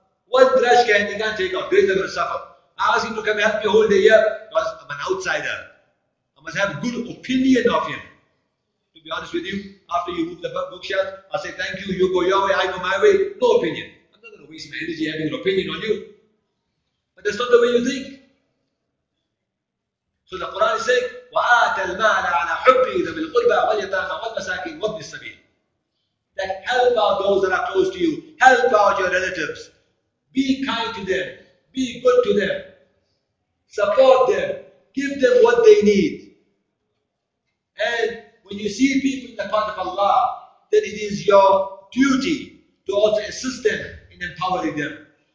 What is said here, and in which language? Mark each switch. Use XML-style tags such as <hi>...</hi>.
<en>One trash can, he can't take out, grades are going to suffer. Ask him to come help me a whole day here, because I'm an outsider. I must have a good opinion of him. To be honest with you, after you move the bookshelf, I'll say, thank you, you go your way, I go my way. No opinion. I'm not going to waste my energy having an opinion on you. But that's not the way you think. So the Quran is saying,</en> <ar>وَآتَ الْمَالَ عَلَىٰ حُبِّهِ ذَا بِالْقُرْبَى وَالْيَتَامَ وَالْمَسَاكِينَ وَابْنِ السَّبِيلِ.</ar> <en>That help out those that are close to you. Help out your relatives. Be kind to them. Be good to them. Support them. Give them what they need. And when you see people in the path of Allah, then it is your duty to also assist them in empowering them.</en>